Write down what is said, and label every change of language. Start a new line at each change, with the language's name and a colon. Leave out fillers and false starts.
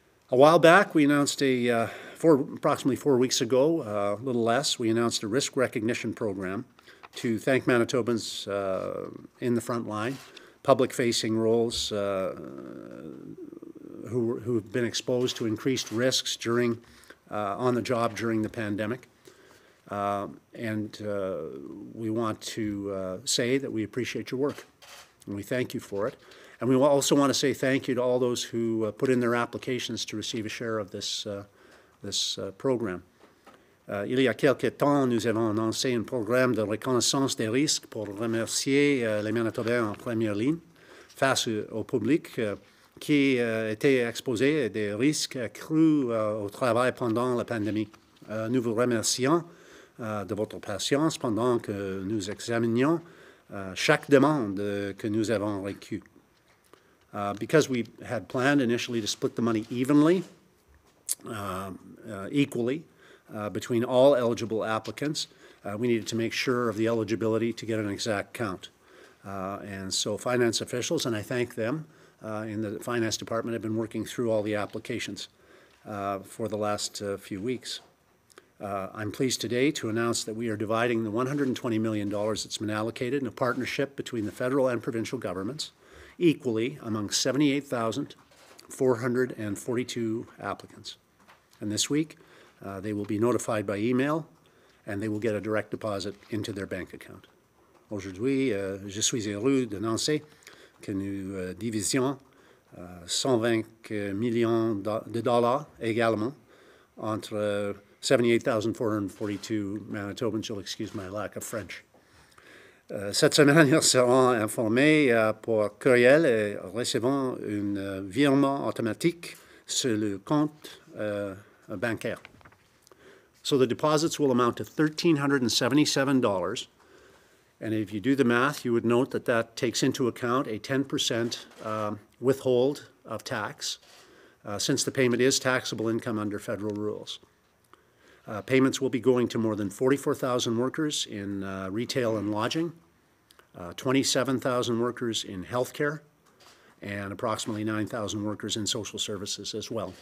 English: A while back, we announced approximately four weeks ago, a risk recognition program to thank Manitobans in the front line, public-facing roles who have been exposed to increased risks during on the job during the pandemic. We want to say that we appreciate your work, and we thank you for it. And we also want to say thank you to all those who put in their applications to receive a share of this program.
French: Il y a quelque temps, nous avons annoncé un programme de reconnaissance des risques pour remercier les Manitobains en première ligne face au public qui était exposé à des risques accrus au travail pendant la pandémie. Nous vous remercions de votre patience pendant que nous examinions chaque demande que nous avons reçue.
English: Because we had planned initially to split the money evenly, equally, between all eligible applicants, we needed to make sure of the eligibility to get an exact count. And so finance officials, and I thank them, in the finance department have been working through all the applications for the last few weeks. I'm pleased today to announce that we are dividing the $120 million that's been allocated in a partnership between the federal and provincial governments, equally among 78,442 applicants. And this week, they will be notified by email, and they will get a direct deposit into their bank account.
French: Aujourd'hui, je suis heureux d'annoncer que nous divisions 120 millions de dollars également entre 78,442 Manitobans.
English: You'll excuse my lack of French.
French: Cette semaine, ils seront informés par courriel et recevront un virement automatique sur le compte bancaire.
English: So the deposits will amount to $1,377. And if you do the math, you would note that that takes into account a 10% withhold of tax, since the payment is taxable income under federal rules. Payments will be going to more than 44,000 workers in retail and lodging, 27,000 workers in healthcare, and approximately 9,000 workers in social services as well.